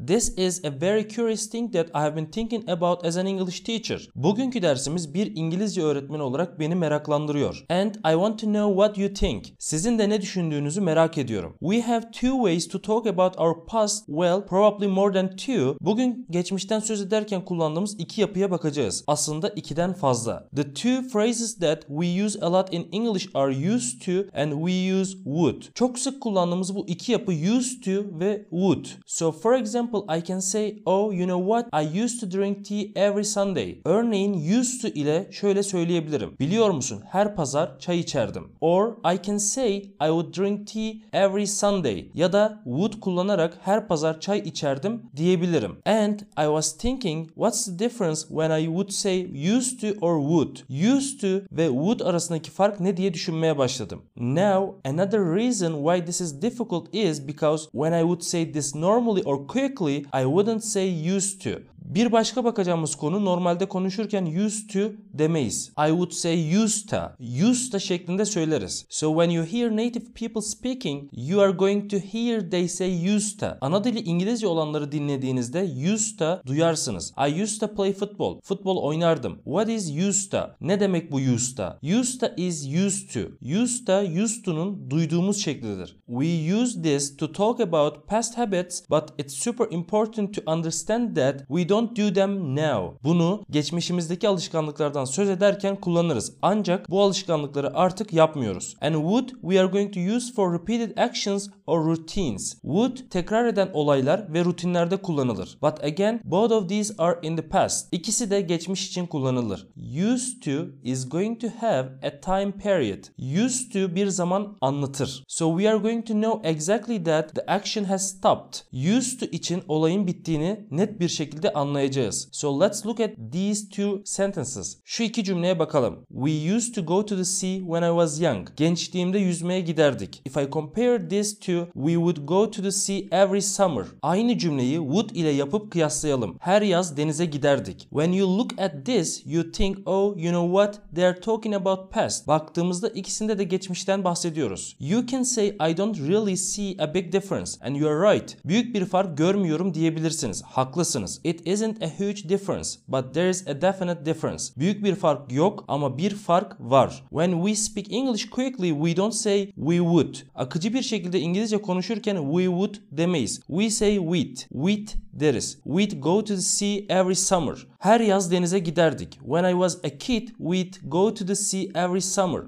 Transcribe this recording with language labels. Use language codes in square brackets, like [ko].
[en] This is a very curious thing that I have been thinking about as an English teacher. [tr] Bugünkü dersimiz bir İngilizce öğretmeni olarak beni meraklandırıyor. [en] And I want to know what you think. [tr] Sizin de ne düşündüğünüzü merak ediyorum. [en] We have two ways to talk about our past. Well, probably more than two. [tr] Bugün geçmişten söz ederken kullandığımız iki yapıya bakacağız. Aslında ikiden fazla. [en] The two phrases that we use a lot in English are used to and we use would. [tr] Çok sık kullandığımız bu iki yapı used to ve would. [en] So for example I can say, oh you know what, I used to drink tea every Sunday. [tr] Örneğin used to ile şöyle söyleyebilirim. Biliyor musun, her pazar çay içerdim. [en] Or I can say, I would drink tea every Sunday. [tr] Ya da would kullanarak her pazar çay içerdim diyebilirim. [en] And I was thinking, what's the difference when I would say used to or would? [tr] Used to ve would arasındaki fark ne diye düşünmeye başladım. [en] Now another reason why this is difficult is because when I would say this normally or quickly, I wouldn't say used to. [tr] Bir başka bakacağımız konu, normalde konuşurken used to demeyiz. [en] I would say used to [tr] şeklinde söyleriz. [en] So when you hear native people speaking, you are going to hear they say used to. [tr] Ana dili İngilizce olanları dinlediğinizde used to duyarsınız. [en] I used to play football. [tr] Futbol oynardım. [en] What is used to? [tr] Ne demek bu used to? [en] Used to is used to. [tr] Used to, used to'nun duyduğumuz şeklidir. [en] We use this to talk about past habits, but it's super important to understand that we don't do them now. [tr] Bunu geçmişimizdeki alışkanlıklardan söz ederken kullanırız. Ancak bu alışkanlıkları artık yapmıyoruz. [en] And would we are going to use for repeated actions or routines. [tr] Would tekrar eden olaylar ve rutinlerde kullanılır. [en] But again, both of these are in the past. [tr] İkisi de geçmiş için kullanılır. [en] Used to is going to have a time period. [tr] Used to bir zaman anlatır. [en] So we are going to know exactly that the action has stopped. [tr] Used to için olayın bittiğini net bir şekilde anlayacağız. [en] So let's look at these two sentences. [tr] Şu iki cümleye bakalım. [en] We used to go to the sea when I was young. [tr] Gençliğimde yüzmeye giderdik. [en] If I compare this to we would go to the sea every summer. [tr] Aynı cümleyi would ile yapıp kıyaslayalım. Her yaz denize giderdik. [en] When you look at this you think, oh you know what, they are talking about past. [tr] Baktığımızda ikisinde de geçmişten bahsediyoruz. [en] You can say I don't really see a big difference and you are right. [tr] Büyük bir fark görmüyorum diyebilirsiniz. Haklısınız. [en] It isn't a huge difference, but there is a definite difference. [tr] Büyük bir fark yok ama bir fark var. [en] When we speak English quickly, we don't say we would. [tr] Akıcı bir şekilde İngilizce konuşurken we would demeyiz. [en] We say we'd. [tr] We'd deriz. [en] We'd go to the sea every summer. [tr] Her yaz denize giderdik. [en] When I was a kid, we'd go to the sea every summer.